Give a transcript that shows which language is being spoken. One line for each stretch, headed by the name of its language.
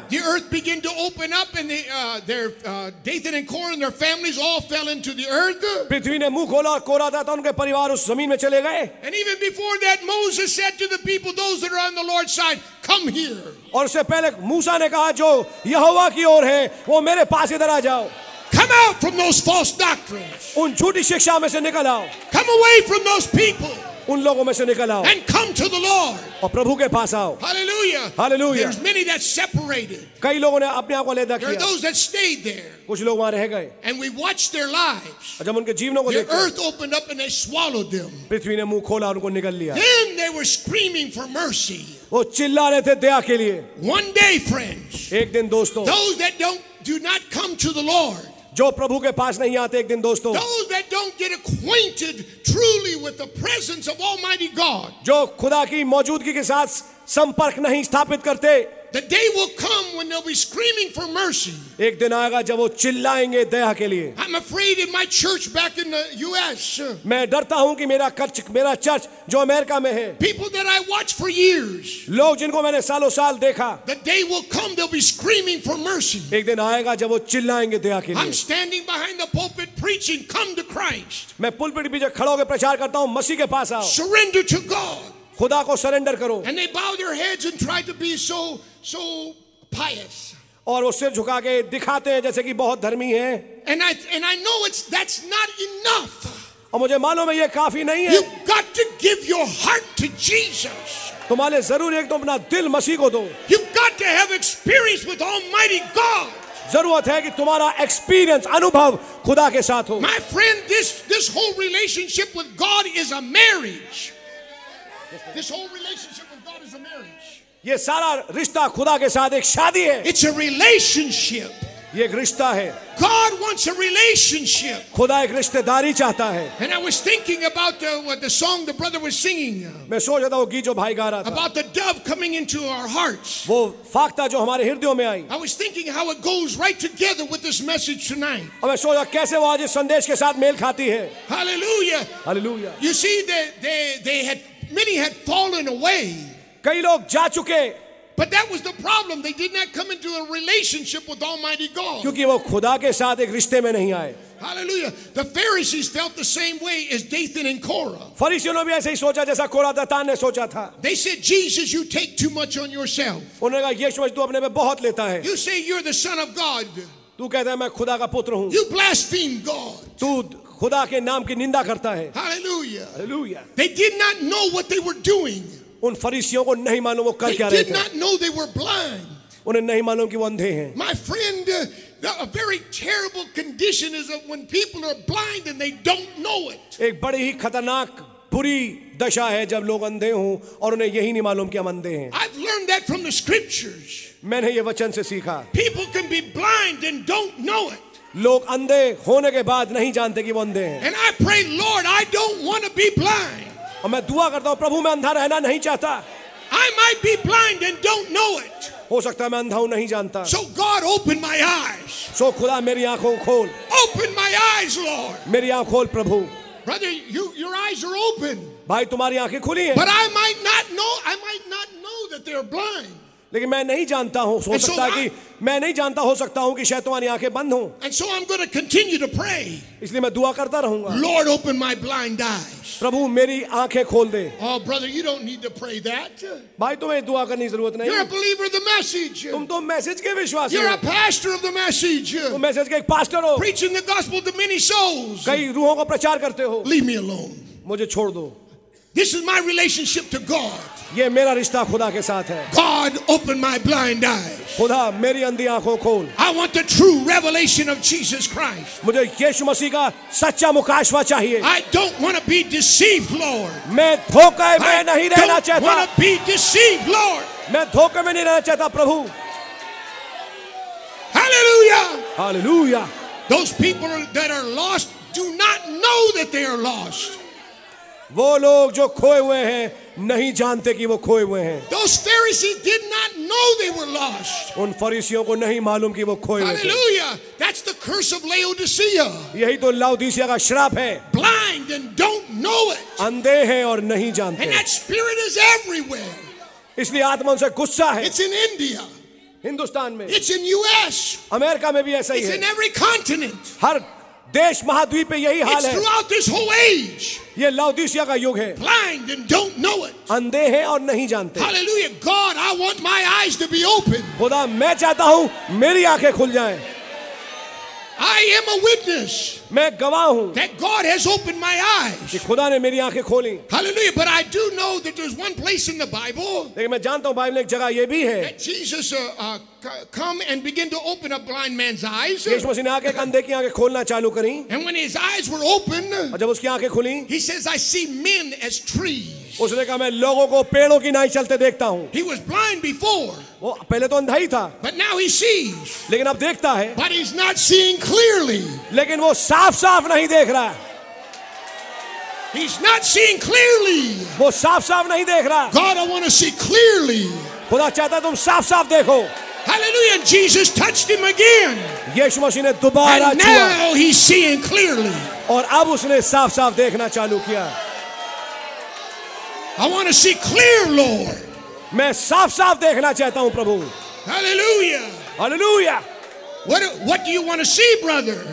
English: The earth began to open up and Dathan and Korah and their families all fell into the earth.
Hindi: पृथ्वी ने मुंह खोला और कोरह दातान उनके परिवार उस जमीन में चले गए.
English: And even before that Moses said to the people, those that are on the Lord's side, come here.
Hindi: और उससे पहले मूसा ने कहा जो यहोवा की ओर है वो मेरे पास इधर आ जाओ.
English: Come out from those false doctrines.
Hindi: उन झूठी शिक्षा में से निकल आओ.
English: Come away from those people.
Hindi: उन लोगों में से निकल आओ.
English: And come to the Lord.
Hindi: और प्रभु के पास आओ.
English: Hallelujah. Hallelujah. There's many that separated.
Hindi: कई लोगों ने अपने आप को अलग किया.
English: There are those that stayed there.
Hindi: कुछ लोग वहाँ रह गए.
English: And we watched their lives.
Hindi: और जब उनके जीवनों को देखा.
English: The earth opened up and they swallowed them.
Hindi: पृथ्वी ने मुंह खोला और उनको निकल लिया.
English: Then they were screaming for mercy.
Hindi: वो चिल्ला रहे थे दया के लिए.
English: One day, friends.
Hindi: एक दिन दोस्तों.
English: Those that do not come to the Lord.
Hindi: जो प्रभु के पास नहीं आते एक दिन दोस्तों
English: those that don't get acquainted truly with the presence of Almighty God,
Hindi: जो खुदा की मौजूदगी के साथ संपर्क नहीं स्थापित करते
English: the day will come when they'll be screaming for mercy.
Hindi: एक दिन आएगा जब वो चिल्लाएंगे दया के लिए.
English: I'm afraid in my church back in the U.S.
Hindi: मैं डरता हूँ कि मेरा चर्च जो अमेरिका में है.
English: People that I watch for years.
Hindi: लोग जिनको मैंने सालों साल देखा.
English: The day will come they'll be screaming for mercy.
Hindi: एक दिन आएगा जब वो चिल्लाएंगे दया के लिए.
English: I'm standing behind the pulpit preaching, come to Christ.
Hindi: मैं पुलपिट के पीछे खड़ा होकर प्रचार करता हूँ मसीह के पास आओ.
English: Surrender to God.
Hindi: खुदा को सरेंडर करो.
English: And they bow their heads and try to be so pious.
Hindi: और वो सिर झुका के दिखाते हैं जैसे कि बहुत धर्मी हैं.
English: And I know that's not enough.
Hindi: और मुझे मालूम है ये काफी नहीं है.
English: You got to give your heart to Jesus.
Hindi: तुम्हारे जरूर एक तो अपना दिल मसीह को दो.
English: You got to have experience with Almighty God.
Hindi: जरूरत है कि तुम्हारा एक्सपीरियंस अनुभव खुदा के साथ हो.
English: My friend, this whole relationship with God is a marriage. This whole relationship with God is a marriage.
Hindi: ये सारा रिश्ता खुदा के साथ एक शादी है.
English: It's a relationship.
Hindi: ये एक रिश्ता है.
English: God wants a relationship.
Hindi: खुदा एक रिश्तेदारी चाहता है.
English: And I was thinking about the song the brother was singing.
Hindi: मैं सोच रहा था वो गीत जो भाई गा रहा था.
English: About the dove coming into our hearts.
Hindi: वो फाख्ता जो हमारे हृदयों में आई.
English: I was thinking how it goes right together with this message tonight.
Hindi: और मैं सोच रहा कैसे वो आज इस संदेश के साथ मेल खाती है.
English: Hallelujah. Hallelujah. You see they had fallen away.
Hindi: कई लोग जा चुके.
English: But that was the problem. They did not come into a relationship with Almighty God.
Hindi: क्योंकि वो खुदा के साथ एक रिश्ते में नहीं आए.
English: Hallelujah. The Pharisees felt the same way as Dathan and Korah.
Hindi: फरीसियों ने भी ऐसे ही सोचा जैसा कोरह दातान ने सोचा था.
English: They said, Jesus, you take too much on yourself.
Hindi: उन्होंने कहा यीशु मसीह तू अपने पे बहुत लेता है.
English: You say you're the son of God.
Hindi: तू कहता है मैं खुदा का पुत्र हूँ.
English: You blaspheme God.
Hindi: तू खुदा के नाम की निंदा करता है.
English: Hallelujah. Hallelujah. They did not know what they were doing.
Hindi: उन फरीसियों को नहीं मालूम वो कर क्या रहे थे.
English: They did not know they were blind.
Hindi: उन्हें नहीं मालूम कि वो अंधे हैं.
English: My friend, a very terrible condition is that when people are blind and they don't know it.
Hindi: एक बड़ी ही खतरनाक बुरी दशा है जब लोग अंधे हों और उन्हें यही नहीं मालूम कि हम अंधे हैं.
English: I've learned that from the scriptures.
Hindi: मैंने ये वचन से सीखा.
English: People can be blind and don't know it.
Hindi: लोग अंधे होने के बाद नहीं जानते कि वो अंधे हैं.
English: And I pray, Lord, I don't want to be blind.
Hindi: और मैं दुआ करता हूँ प्रभु मैं अंधा रहना नहीं चाहता.
English: I might be blind and don't know it.
Hindi: हो सकता है मैं अंधा हूँ नहीं जानता.
English: So God, open my eyes.
Hindi: So खुदा मेरी आँखों खोल.
English: Open my eyes, Lord.
Hindi: मेरी आँख खोल प्रभु.
English: Brother, your eyes are open.
Hindi: भाई तुम्हारी आँखें खुली हैं.
English: But I might not know that they are blind.
Hindi: लेकिन मैं नहीं जानता हूँ हो सकता है कि मैं नहीं जानता हो सकता हूँ कि शायद तुम्हारी आंखें बंद हों.
English: And so I'm going to continue to pray.
Hindi: इसलिए मैं दुआ करता रहूंगा.
English: Lord, open my blind eyes.
Hindi: प्रभु मेरी आंखें खोल दे.
English: Oh brother, you don't need to pray that.
Hindi: भाई तुम्हें दुआ करने की जरूरत नहीं.
English: You're a believer of the message.
Hindi: तुम तो मैसेज के विश्वासी.
English: You're a pastor of the message.
Hindi: तुम मैसेज के एक पास्टर हो.
English: Preaching the gospel to many souls.
Hindi: कई रूहों को प्रचार करते हो.
English: Leave me alone.
Hindi: मुझे छोड़ दो.
English: This is my relationship to God.
Hindi: ये मेरा रिश्ता खुदा के साथ है.
English: God, open my blind eyes.
Hindi: खुदा मेरी अंधी आंखों खोल.
English: I want the true revelation of Jesus Christ.
Hindi: मुझे यीशु मसीह का सच्चा मुकाशवा चाहिए.
English: I don't want to be deceived, Lord.
Hindi: मैं धोखे में नहीं रहना चाहता.
English: I don't want to be deceived, Lord.
Hindi: मैं धोखे में नहीं रहना चाहता प्रभु.
English: Hallelujah. Hallelujah. Those people that are lost do not know that they are lost.
Hindi: वो लोग जो खोए हुए हैं नहीं जानते कि वो खोए हुए हैं.
English: Those Pharisees did not know they were lost.
Hindi: उन फरीसियों को नहीं मालूम कि वो खोए हुए थे.
English: Hallelujah. That's the curse of Laodicea.
Hindi: यही तो लाओदीसिया का श्राप है.
English: Blind and don't know it.
Hindi: अंधे हैं और नहीं जानते.
English: And that spirit is everywhere.
Hindi: इसलिए आत्मा उनसे गुस्सा है.
English: It's in India.
Hindi: हिंदुस्तान में.
English: It's in US.
Hindi: अमेरिका में भी ऐसा ही है.
English: It's in every continent.
Hindi: हर देश महाद्वीप पे यही हाल है.
English: Throughout this whole age.
Hindi: ये लाओदीसिया का युग है.
English: Blind and don't know it.
Hindi: अंधे हैं और नहीं जानते.
English: Hallelujah. God, I want my eyes to be open.
Hindi: खुदा मैं चाहता हूँ मेरी आंखें खुल जाएं.
English: I am a witness.
Hindi: मैं गवाह हूँ.
English: That God has opened my eyes.
Hindi: कि खुदा ने मेरी आंखें खोली.
English: Hallelujah. But I do know that there's one place in the Bible.
Hindi: लेकिन मैं जानता हूँ बाइबल में एक जगह ये भी है.
English: That Jesus come and begin to open a blind man's eyes.
Hindi: यीशु मसीह ने आंखें अंधे की आंखें खोलना चालू करी.
English: And when his eyes were opened.
Hindi: जब उसकी आंखें खुली.
English: He says, I see men as trees.
Hindi: उसने कहा मैं लोगों को पेड़ों की नाई चलते देखता हूँ.
English: He was blind before.
Hindi: वो पहले तो अंधा ही था.
English: But now he sees.
Hindi: लेकिन अब देखता है.
English: But he's not seeing clearly.
Hindi: लेकिन वो साफ साफ नहीं देख रहा.
English: He's not seeing clearly.
Hindi: वो साफ साफ नहीं देख रहा.
English: God, I want to see clearly.
Hindi: खुदा चाहता है तुम साफ साफ देखो.
English: Hallelujah! And Jesus touched him again.
Hindi: यीशु मसीह ने दोबारा छुआ.
English: And now he's seeing clearly.
Hindi: और अब उसने साफ साफ देखना चालू किया.
English: I want to see clear, Lord.
Hindi: मैं साफ साफ देखना चाहता हूँ प्रभु.
English: Hallelujah! Hallelujah! What do you want to see, brother?